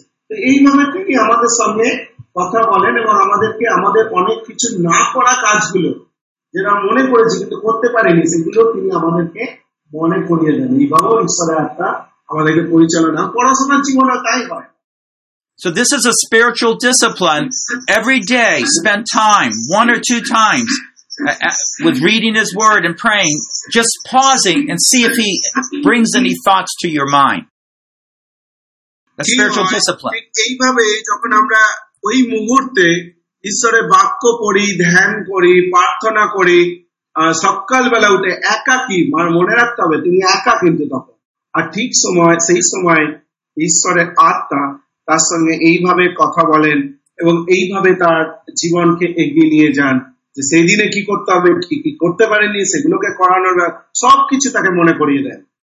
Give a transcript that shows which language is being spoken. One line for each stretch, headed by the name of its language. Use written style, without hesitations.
Bangla: তো এইভাবে তিনি আমাদের সঙ্গে কথা বলেন এবং আমাদেরকে আমাদের অনেক কিছু না করা কাজগুলো যেটা মনে করেছি কিন্তু করতে পারিনি সেগুলো তিনি আমাদেরকে মনে করিয়ে দেন এইভাবেও ঈশ্বরের আত্মা আমাদেরকে পরিচালনা পড়াশোনার জীবনে তাই হয়।
English: So this is a spiritual discipline. Every day, spend time, one or two times, with reading his word and praying, just pausing and see if he brings any thoughts to your mind. A spiritual discipline.
Bangla: এইভাবে যখন আমরা ওই মুহূর্তে ঈশ্বরের বাক্য পড়ি, ধ্যান করি, প্রার্থনা করি, সকালবেলা উঠে একাকী, মনে রাখতে হবে তুমি একা কিন্তু তখন, আর ঠিক সময় সেই সময় ঈশ্বরের আত্মা তার সঙ্গে এইভাবে কথা বলেন এবং এইভাবে তার জীবনকে এগিয়ে নিয়ে যান যে সেই দিনে কি করতে হবে কি কি করতে পারেনি সেগুলোকে করানোর সব কিছু তাকে মনে করিয়ে দেন।